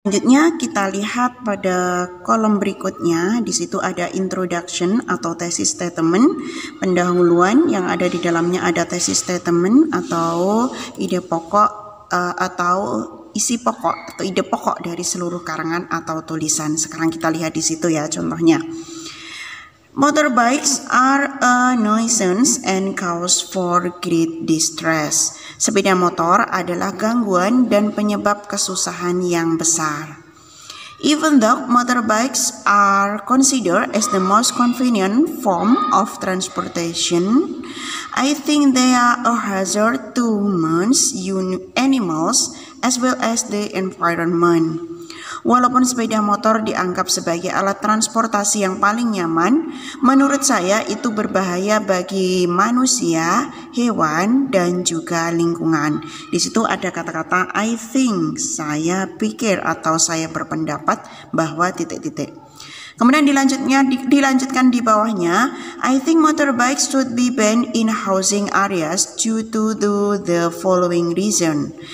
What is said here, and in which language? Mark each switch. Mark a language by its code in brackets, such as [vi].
[id] Selanjutnya kita lihat pada kolom berikutnya, di situ ada introduction atau thesis statement, pendahuluan, yang ada di dalamnya ada thesis statement atau ide pokok atau isi pokok atau ide pokok dari seluruh karangan atau tulisan. Sekarang kita lihat di situ ya contohnya. [en] Motorbikes are a nuisance and cause for great distress. [id] Sepeda motor adalah gangguan dan penyebab kesusahan yang besar. [en] Even though motorbikes are considered as the most convenient form of transportation, I think they are a hazard to humans, animals, as well as the environment. [id] Walaupun sepeda motor dianggap sebagai alat transportasi yang paling nyaman, menurut saya itu berbahaya bagi manusia, hewan, dan juga lingkungan. Di situ ada kata-kata [en] I think, [id] saya pikir atau saya berpendapat bahwa titik-titik. Kemudian dilanjutkan di bawahnya, [en] I think motorbikes should be banned in housing areas due to the following reason.